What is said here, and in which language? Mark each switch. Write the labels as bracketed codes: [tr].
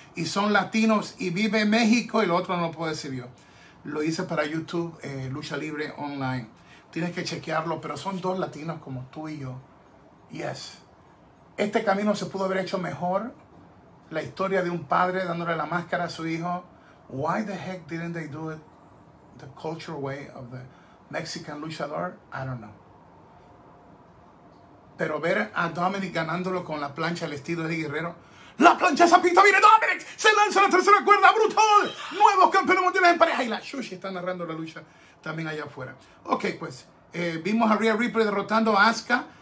[es] Y son latinos y vive en México, y lo otro no lo puedo decir yo. Lo hice para YouTube, Lucha Libre Online. Tienes que chequearlo, pero son dos latinos como tú y yo. [en] Yes. [es] Este camino se pudo haber hecho mejor. La historia de un padre dándole la máscara a su hijo. [en] Why the heck didn't they do it the cultural way of the Mexican luchador? I don't know. [es] Pero ver a Dominic ganándolo con la plancha al estilo de Guerrero. ¡La plancha esa pista! ¡Viene Dominic! ¡Se lanza la tercera cuerda! ¡Brutal! ¡Nuevos campeones mundiales en pareja! Y la Shushi está narrando la lucha también allá afuera. Ok, pues. Vimos a Rhea Ripley derrotando a Asuka